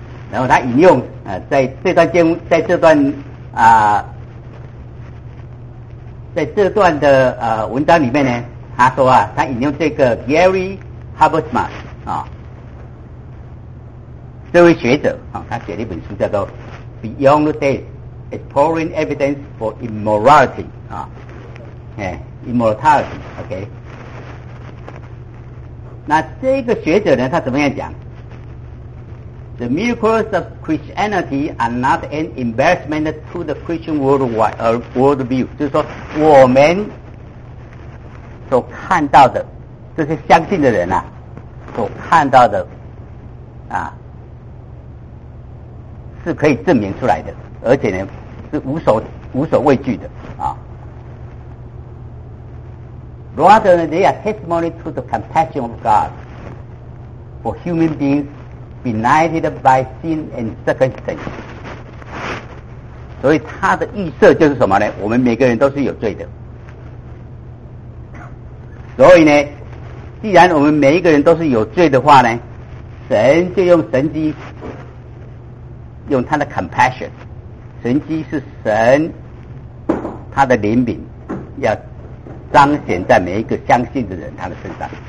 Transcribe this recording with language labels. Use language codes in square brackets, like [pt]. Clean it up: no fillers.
[zh] 然后他引用在这段经，在这段啊，在这段的文章里面呢，他说啊，他引用这个 Gary Habermas 啊，这位学者啊，他写了一本书叫做《Beyond Death: Exploring Evidence for Immortality》啊，Immortality， OK。那这个学者呢，他怎么样讲？ [en] The miracles of Christianity are not an embarrassment to the Christian worldview. [zh] 就是说我们所看到的这些相信的人啊，所看到的啊，是可以证明出来的，而且呢是无所畏惧的啊。 [en] Rather, they are testimony to the compassion of God for human beings benighted by sin and circumstance. [zh] 所以他的预设就是什么呢？我们每个人都是有罪的。所以呢，既然我们每一个人都是有罪的话呢，神就用神迹，用他的 compassion， 神迹是神他的怜悯，要彰显在每一个相信的人他的身上。